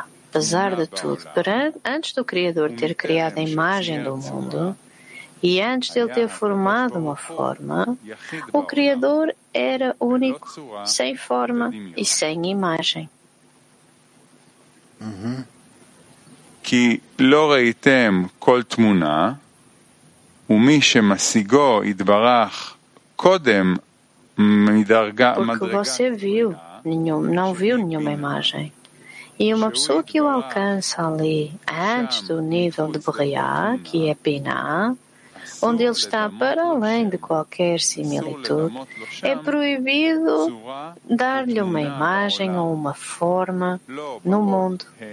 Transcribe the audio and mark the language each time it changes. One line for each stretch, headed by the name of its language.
Portuguese: Apesar de tudo, antes do Criador ter criado a imagem do mundo e antes de ele ter formado uma forma, o Criador era único, sem forma e sem imagem.
Hebrew: כי לא ראיתם כל תמונה, ומי שמשיגו יתברך קודם מדרגה
Portuguese: Porque você viu, não viu nenhuma imagem. E uma pessoa que o alcança ali, antes do nível de Briá, que é Piná, onde ele está para além de qualquer similitude, é proibido dar-lhe uma imagem ou uma forma no mundo.